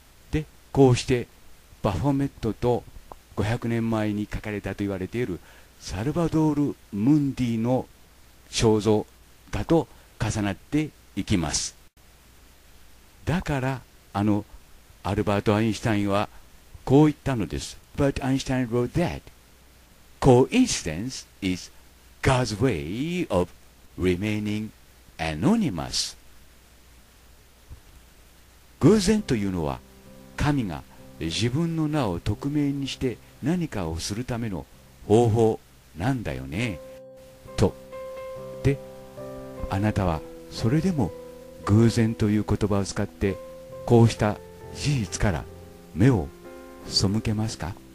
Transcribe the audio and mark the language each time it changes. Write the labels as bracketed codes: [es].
[ja] で、こうしてバフォメットと500年前に描かれたと言われているサルバドール・ムンディの肖像画と重なっていきます。だからあのアルバート・アインシュタインはこう言ったのです。 [en] But Einstein wrote that Coincidence is God's way of remaining anonymous。 [ja] 偶然というのは神が自分の名を匿名にして何かをするための方法なんだよねと。で、あなたはそれでも偶然という言葉を使ってこうした事実から目を背けますか。